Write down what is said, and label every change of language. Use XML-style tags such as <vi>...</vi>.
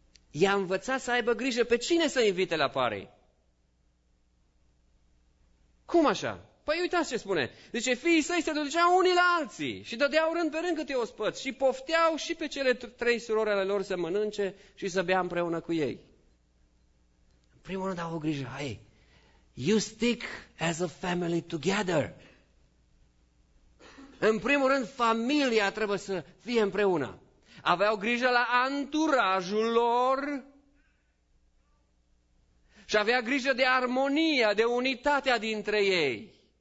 <ro>I-a învățat să aibă grijă pe cine să invite la party. Cum așa? Păi uitați ce spune. Zice, fiii săi se duceau unii la alții și dădeau rând pe rând câte ospăți și pofteau și pe cele trei surori ale lor să mănânce și să bea împreună cu ei. În primul rând au grijă.</ro> <en>Hey, you stick as a family together.</en> <ro>În primul rând, familia trebuie să fie împreună. Aveau grijă la anturajul lor și avea grijă de armonia, de unitatea dintre ei.</ro>